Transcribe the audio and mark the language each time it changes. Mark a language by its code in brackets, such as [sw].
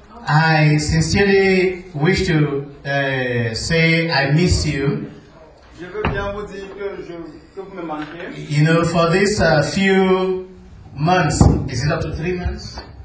[en] I sincerely wish to say I miss you. [fr] Je veux bien vous dire que vous me manquez. [en] You know, for this few months, is it up to 3 months?